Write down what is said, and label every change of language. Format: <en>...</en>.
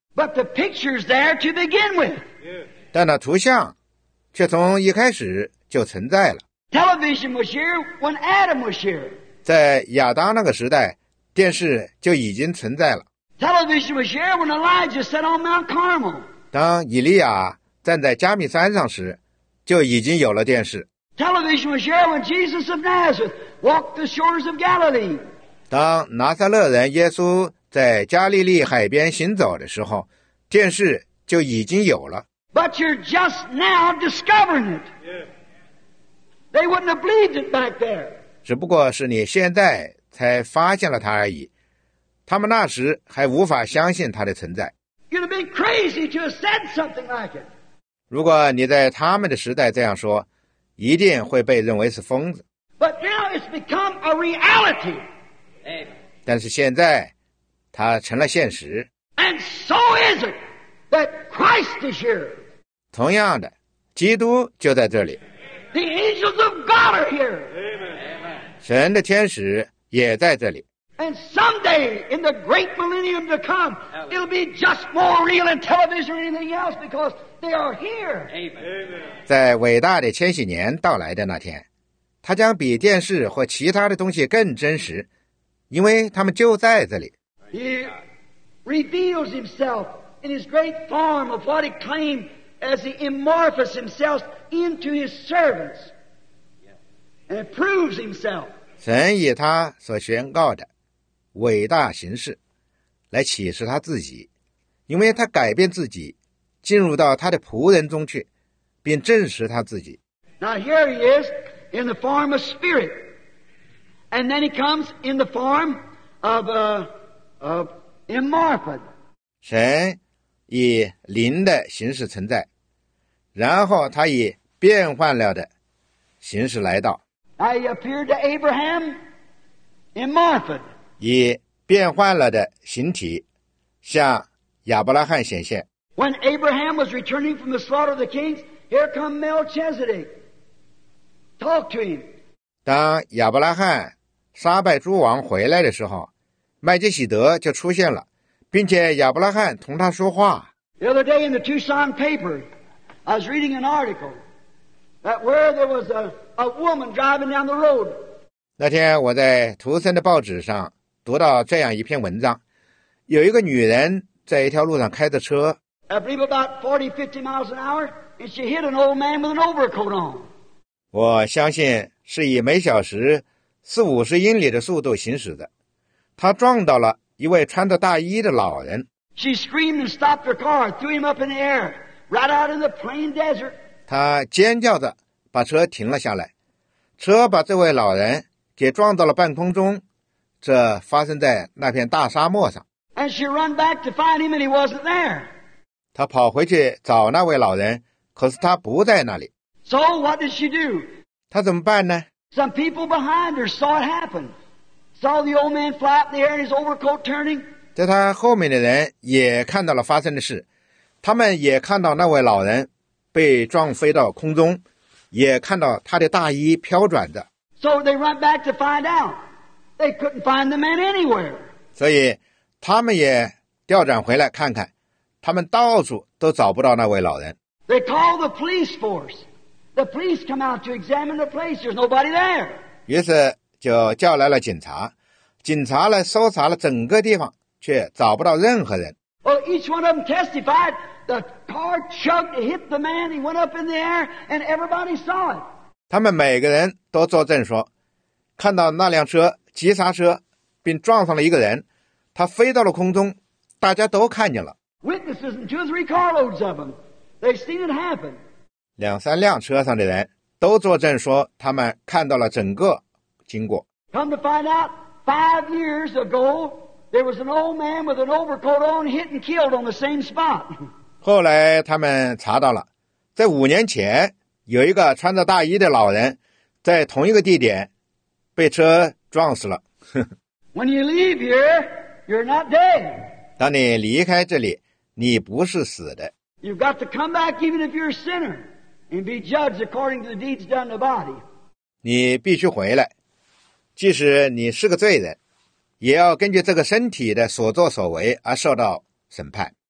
<en>But the picture's there to begin with.</en> <zh>但那图像却从一开始就存在了。</zh> <en>Television was here when Adam was here.</en> <zh>在亚当那个时代，电视就已经存在了。</zh> <en>Television was here when Elijah sat on Mount Carmel.</en> <zh>当以利亚站在加密山上时，就已经有了电视。</zh> <en>Television was here when Jesus of Nazareth walked the shores of Galilee.</en> <zh>当拿撒勒人耶稣在加利利海边行走的时候，电视就已经有了。</zh> <en>But you're just now discovering it. They wouldn't have believed it back there.</en> <zh>只不过是你现在才发现了它而已，他们那时还无法相信它的存在。</zh> <en>You'd have been crazy to have said something like it.</en> <zh>如果你在他们的时代这样说，一定会被认为是疯子。</zh> <en>But now it's become a reality.</en> <zh>但是现在它成了现实。</zh> <en>And so is it that Christ is here.</en> <zh>同样的，基督就在这里。</zh> <en>The angels of God are here. Amen.</en> <zh>神的天使也在这里。</zh> <en>And someday in the great millennium to come, it'll be just more real than television or anything else because they are here. Amen.</en> <zh>在伟大的千禧年到来的那天，它将比电视或其他的东西更真实，因为他们就在这里。</zh> <en>He reveals himself in his great form of what he claimed as he amorphous himself into his servants. And it proves himself.</en> <zh>神以他所宣告的伟大形式来启示他自己，因为他改变自己进入到他的仆人中去，并证实他自己。</zh> <en>Now here he is in the form of spirit. And then he comes in the form of a of immorphed.</en> <zh>神以灵的形式存在，然后他以变幻了的形式来到。</zh> <en>I appeared to Abraham immorphed.</en> <zh>以变幻了的形体向亚伯拉罕显现。</zh> <en>When Abraham was returning from the slaughter of the kings, here come Melchizedek. Talk to him.</en> <zh>当亚伯拉罕杀败诸王回来的时候，麦基洗德就出现了，并且亚伯拉罕同他说话。</zh> <en>The other day in the Tucson paper, I was reading an article that where there was a woman driving down the road.</en> <zh>那天我在图森的报纸上读到这样一篇文章，有一个女人在一条路上开着车。</zh> <en>I believe about 40-50 miles an hour, and she hit an old man with an overcoat on.</en> <zh>我相信是以每小时40-50英里的速度行驶的，她撞到了一位穿着大衣的老人。</zh> <en>She screamed and stopped her car, threw him up in the air, right out in the plain desert.</en> <zh>她尖叫着把车停了下来，车把这位老人给撞到了半空中，这发生在那片大沙漠上。</zh> <en>And she ran back to find him, and he wasn't there.</en> <zh>她跑回去找那位老人，可是他不在那里。</zh> <en>So what did she do?</en> <zh>她怎么办呢？</zh> <en>Some people behind her saw it happen. Saw the old man fly up in the air and his overcoat turning.</en> <zh>在他后面的人也看到了发生的事，他们也看到那位老人被撞飞到空中，也看到他的大衣飘转着。</zh> <en>So they run back to find out. They couldn't find the man anywhere.</en> <zh>所以他们也调转回来看看，他们到处都找不到那位老人。</zh> <en>They call the police force. The police come out to examine the place. There's nobody there.</en> <zh>于是就叫来了警察，警察来搜查了整个地方，却找不到任何人。</zh> <en>Well, each one of them testified. The car chugged, hit the man. He went up in the air, and everybody saw it.</en> <zh>他们每个人都作证说，看到那辆车急刹车，并撞上了一个人，他飞到了空中，大家都看见了。</zh> <en>Witnesses and 2 or 3 carloads of them, they seen it happen.</en> <zh>两三辆车上的人都作证说他们看到了整个经过。</zh> <en>Come to find out, 5 years ago, there was an old man with an overcoat on hit and killed on the same spot.</en> <zh>后来他们查到了，在5年前有一个穿着大衣的老人在同一个地点被车撞死了。</zh> <en>When you leave here, you're not dead.</en> <zh>当你离开这里，你不是死的。</zh> <en>You've got to come back even if you're a sinner. And be judged according to the deeds done in the body.</en> <zh>你必须回来，即使你是个罪人，也要根据这个身体的所作所为而受到审判。</zh>